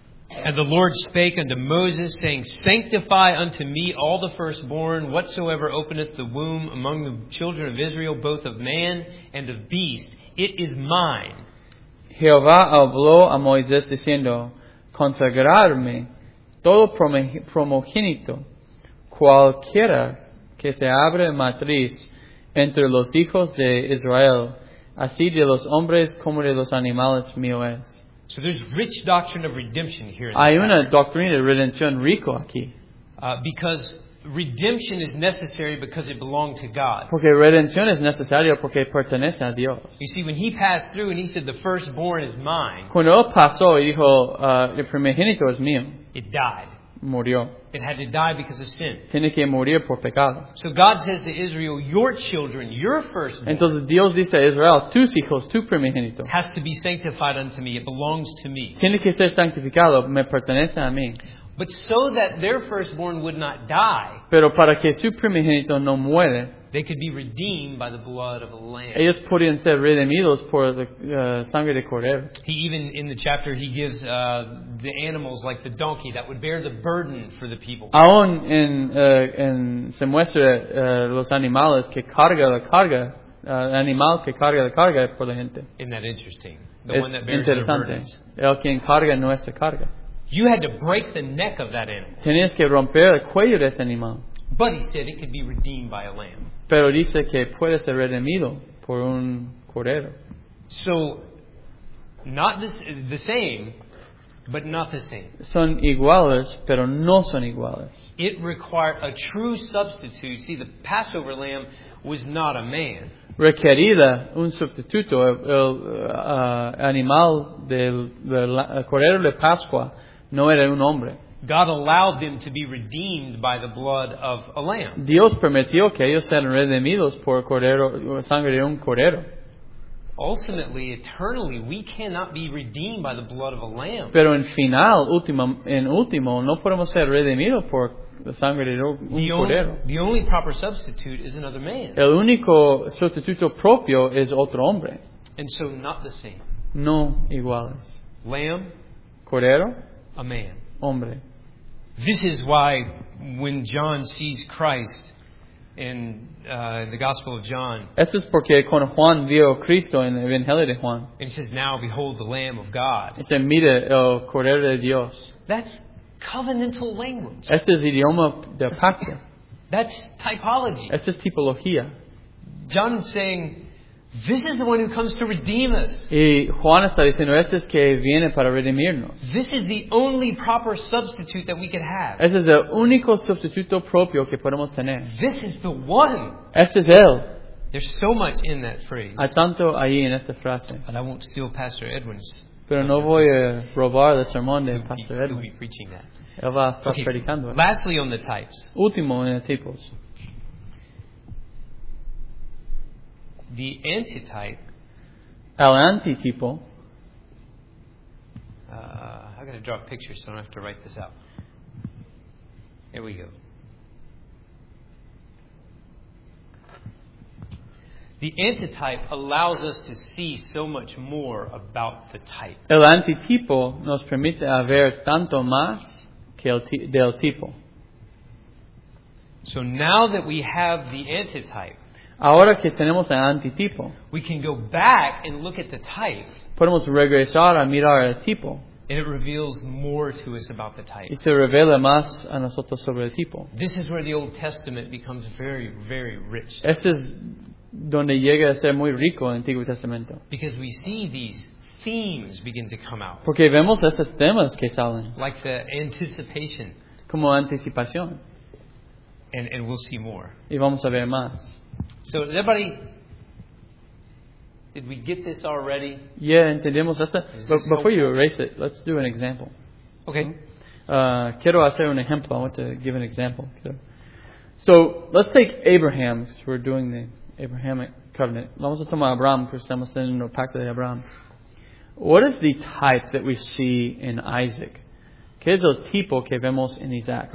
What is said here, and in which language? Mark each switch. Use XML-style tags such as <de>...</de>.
<en>And the Lord spake unto Moses, saying, Sanctify unto me all the firstborn, whatsoever openeth the womb among the children of Israel, both of man and of beast. It is mine.</en> <es>Jehová habló a Moisés diciendo, Consagrarme todo primogénito, cualquiera que se abre matriz, entre los hijos de Israel, así de los hombres como de los animales mío es.</es> <en>So there's rich doctrine of redemption here.</en> <es>Hay una doctrina de redención rico aquí.</es> <en>Because redemption is necessary because it belonged to God.</en> <es>Porque redención es necesaria porque pertenece a Dios.</es> <en>You see, when he passed through and he said, the firstborn is mine.</en> <es>Cuando él pasó y dijo, el primogénito es mío.</es> <en>It died.</en> <es>Murió.</es> <en>It had to die because of sin.</en> <es>Tiene que morir por pecado.</es> <en>So God says to Israel, your children, your firstborn.</en> <es>Entonces Dios dice a Israel, tus hijos, tu primogénito.</es> <en>Has to be sanctified unto me. It belongs to me.</en> <es>Tiene que ser santificado. Me pertenece a mí.</es> <en>But so that their firstborn would not die.</en> <es>Pero para que su primogénito no muere.</es> <en>They could be redeemed by the blood of a lamb.</en> <es>Ellos podían ser redimidos por la sangre de cordero.</es> <en>He even in the chapter he gives the animals like the donkey that would bear the burden for the people.</en> <es>Aún en se muestra los animales que carga la carga, el animal que carga la carga por la gente.</es> <en>Isn't that interesting? The es one that bears their burdens.</en> <es>El quien carga nuestra carga.</es> <en>You had to break the neck of that animal.</en> <es>Tenías que romper el cuello de ese animal.</es> <en>But he said it could be redeemed by a lamb.</en> <es>Pero dice que puede ser redimido por un cordero.</es> <en>So, not the same, but not the same.</en> <es>Son iguales, pero no son iguales.</es> <en>It required a true substitute. See, the Passover lamb was not a man.</en> <es>Requerida un sustituto. El animal del cordero de Pascua no era un hombre.</es> <en>God allowed them to be redeemed by the blood of a lamb.</en> <es>Dios permitió que ellos sean redimidos por cordero, sangre de un cordero.</es> <en>Ultimately, eternally, we cannot be redeemed by the blood of a lamb.</en> <es>Pero en final, último, no podemos ser redimidos por la sangre de un cordero.</es> <en>The only proper substitute is another man.</en> <es>El único sustituto propio es otro hombre.</es> <en>And so, not the same.</en> <es>No iguales.</es> <en>Lamb.</en> <es>Cordero.</es> <en>A man.</en> <es>Hombre.</es> <en>This is why when John sees Christ in the Gospel of John,</en> <es>esto es porque cuando Juan vio Cristo en el Evangelio de Juan,</es> <en>and he says, Now behold the Lamb of God.</en> <es>Dice, mira el Cordero de Dios.</es> <en>That's covenantal language.</en> <es>Esto es idioma del pacto.</es> <en>That's typology.</en> <es>Esto es tipología.</es> <en>John is saying, This is the one who comes to redeem us.</en> <es>Y Juan está diciendo, este es que viene para redimirnos.</es> <en>This is the only proper substitute that we could have.</en> <es>Este es el único sustituto propio que podemos tener.</es> <en>This is the one.</en> <es>Este es él.</es> <en>There's so much in that phrase.</en> <es>Hay tanto ahí en esta frase.</es> <en>But I won't steal Pastor Edwin's</en> <es>Pero no voy a robar el sermón de Pastor Edwin.</es> <en>He'll be preaching that.</en> <es>Él va a estar predicando.</es> <en>Lastly on the types.</en> <es>Último en los tipos.</es> <en>The antitype.</en> <es>El antitipo.</es> <en>I've got to draw a picture so I don't have to write this out. Here we go. The antitype allows us to see so much more about the type.</en> <es>El antitipo nos permite ver tanto más que del tipo.</es> <en>So now that we have the antitype,</en> <es>ahora que tenemos el antitipo,</es> <en>we can go back and look at the type.</en> <es>Podemos regresar a mirar el tipo.</es> <en>And it reveals more to us about the type.</en> <es>Y se revela más a nosotros sobre el tipo.</es> <en>This is where the Old Testament becomes very, very rich.</en> <es>Este es donde llega a ser muy rico el Antiguo Testamento.</es> <en>Because we see these themes begin to come out.</en> <es>Porque vemos esos temas que salen.</es> <en>Like the anticipation.</en> <es>Como anticipación.</es> <en>And we'll see more.</en> <es>Y vamos a ver más.</es> <en>So is everybody... Did we get this already?</en> <es>Yeah, entendemos esto.</es> <en>Before you erase it, let's do an example. Okay.</en> <es>Quiero hacer un ejemplo.</es> <en>I want to give an example. So let's take Abraham, because we're doing the Abrahamic covenant.</en> <es>Vamos a tomar Abraham, porque estamos en el pacto de Abraham.</es> <en>What is the type that we see in Isaac?</en> <es>¿Qué es el tipo que vemos en Isaac?</es>